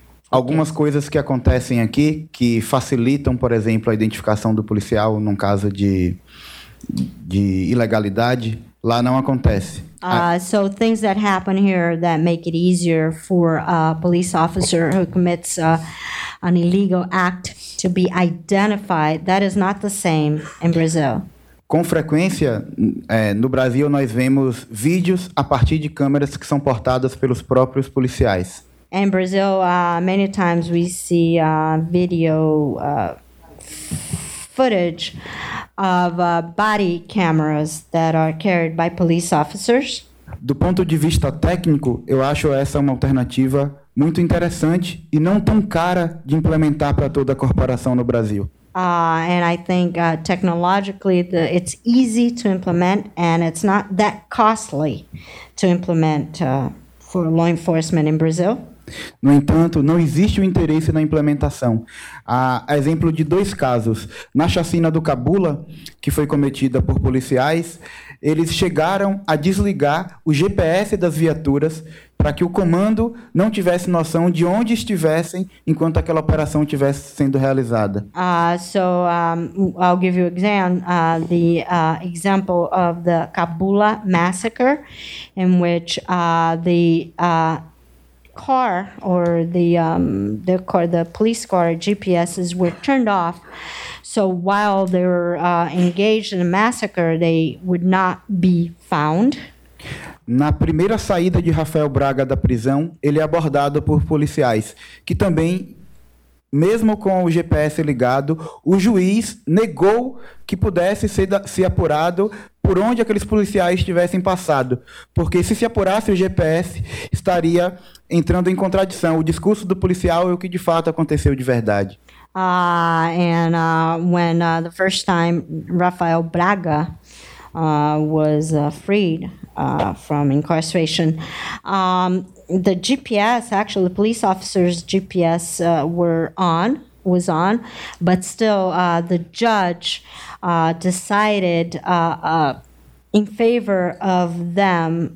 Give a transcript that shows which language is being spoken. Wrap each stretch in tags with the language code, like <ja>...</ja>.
<pt>Algumas coisas que acontecem aqui que facilitam, por exemplo, a identificação do policial num caso de ilegalidade, lá não acontece.</pt> <en>So things that happen here that make it easier for a police officer who commits an illegal act to be identified, that is not the same in Brazil.</en> <pt>Com frequência, no Brasil nós vemos vídeos a partir de câmeras que são portadas pelos próprios policiais.</pt> <en>In Brazil, many times we see video footage of body cameras that are carried by police officers.</en> <pt>Do ponto de vista técnico, eu acho essa uma alternativa muito interessante e não tão cara de implementar para toda a corporação no Brasil.</pt> <en>And I think technologically it's easy to implement and it's not that costly to implement for law enforcement in Brazil.</en> <pt>No entanto, não existe um interesse na implementação. Há exemplo de dois casos. Na chacina do Cabula, que foi cometida por policiais, eles chegaram a desligar o GPS das viaturas para que o comando não tivesse noção de onde estivessem enquanto aquela operação estivesse sendo realizada.</pt> <en>I'll give you example of the Cabula massacre, in which the police car GPSs were turned off. So while they were engaged in a massacre, they would not be found.</en> <pt>Na primeira saída de Rafael Braga da prisão, ele é abordado por policiais, que também, mesmo com o GPS ligado, o juiz negou que pudesse se apurado por onde aqueles policiais tivessem passado. Porque se apurasse o GPS, estaria entrando em contradição o discurso do policial e o que de fato aconteceu de verdade.</pt> <en>The first time Rafael Braga was freed from incarceration, the GPS, actually the police officer's GPS was on, but still the judge decided in favor of them.</en>